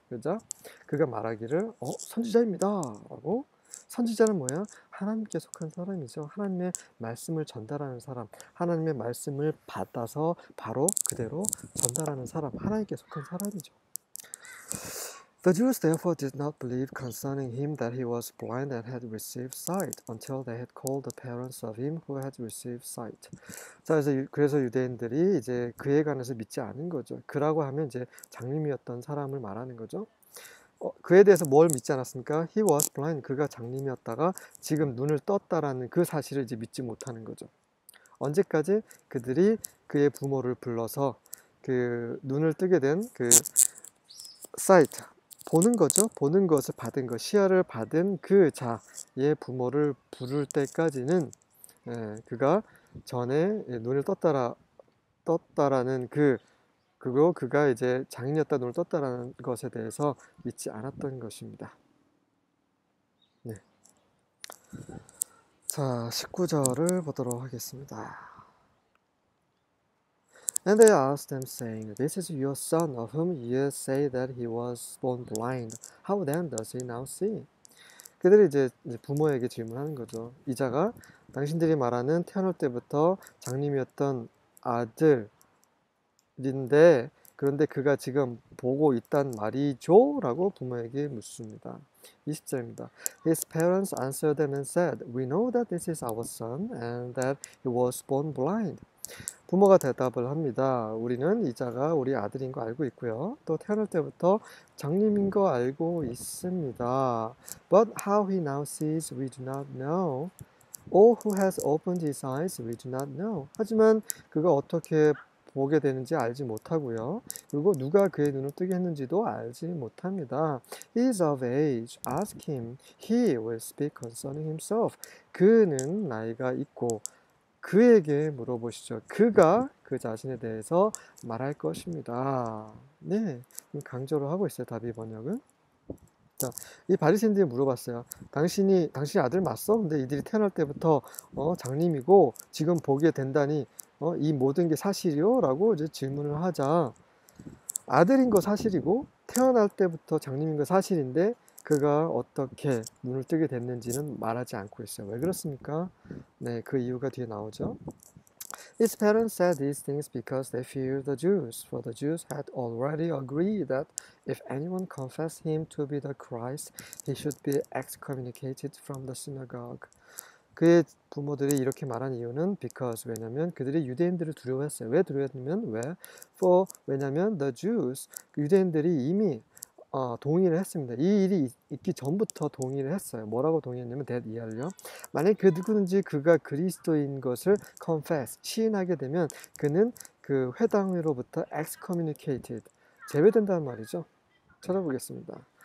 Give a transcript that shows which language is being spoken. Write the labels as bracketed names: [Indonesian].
[Korean] 그러자 그가 말하기를 선지자입니다. 라고. 선지자는 뭐예요? 하나님께 속한 사람이죠. 하나님의 말씀을 전달하는 사람. 하나님의 말씀을 받아서 바로 그대로 전달하는 사람. 하나님께 속한 사람이죠. [English] The Jews therefore did not believe concerning him that he was blind and had received sight until they had called the parents of him who had received sight. [Korean] 자, 그래서 유대인들이 이제 그에 관해서 믿지 않은 거죠. 그라고 하면 이제 장님이었던 사람을 말하는 거죠. 그에 대해서 뭘 믿지 않았습니까? [English] He was blind. [Korean] 그가 장님이었다가 지금 눈을 떴다라는 그 사실을 이제 믿지 못하는 거죠. 언제까지 그들이 그의 부모를 불러서 그 눈을 뜨게 된그 sight, 보는 거죠. 보는 것을 받은 것, 시야를 받은 그 자의 부모를 부를 때까지는 그가 전에 눈을 떴다라는 그리고 그가 이제 장인이었다 눈을 떴다라는 것에 대해서 믿지 않았던 것입니다. 자, 19절을 보도록 하겠습니다. [English] And they asked him, saying, This is your son of whom you say that he was born blind. How then does he now see? [Korean] 그들이 이제 부모에게 질문하는 거죠. 이 자가 당신들이 말하는 태어날 때부터 장님이었던 아들인데, 그런데 그가 지금 보고 있단 말이죠? 라고 부모에게 묻습니다. 20절입니다. [English] His parents answered them and said, We know that this is our son and that he was born blind. [Korean] 부모가 대답을 합니다. 우리는 이 자가 우리 아들인 거 알고 있고요. 또 태어날 때부터 장님인 거 알고 있습니다. [English] But how he now sees, we do not know. Or who has opened his eyes, we do not know. [Korean] 하지만 그가 어떻게 보게 되는지 알지 못하고요. 그리고 누가 그의 눈을 뜨게 했는지도 알지 못합니다. [English] He is of age. Ask him. He will speak concerning himself. [Korean] 그는 나이가 있고 그에게 물어보시죠. 그가 그 자신에 대해서 말할 것입니다. 네, 강조를 하고 있어요. 답이 번역은. 자, 이 바리새인들이 물어봤어요. 당신이 아들 맞어? 근데 이들이 태어날 때부터 장님이고 지금 보게 된다니 이 모든 게 사실이요? 라고 이제 질문을 하자 아들인 거 사실이고 태어날 때부터 장님인 거 사실인데 그가 어떻게 눈을 뜨게 됐는지는 말하지 않고 있어요. 왜 그렇습니까? 네, 그 이유가 뒤에 나오죠. [English] His parents said these things because they feared the Jews, for the Jews had already agreed that if anyone confessed him to be the Christ, he should be excommunicated from the synagogue. [Korean] 그의 부모들이 이렇게 말한 이유는 because, 왜냐면 그들이 유대인들을 두려워했어요. 왜 두려워했냐면, 왜? For, 왜냐면 the Jews, 유대인들이 이미 동의를 했습니다. 이 일이 있기 전부터 동의를 했어요. 뭐라고 동의했냐면, that 이하를요. 만약 그 누구든지 그가 그리스도인 것을 confess, 시인하게 되면 그는 그 회당으로부터 excommunicated, 제외된다는 말이죠. 찾아보겠습니다.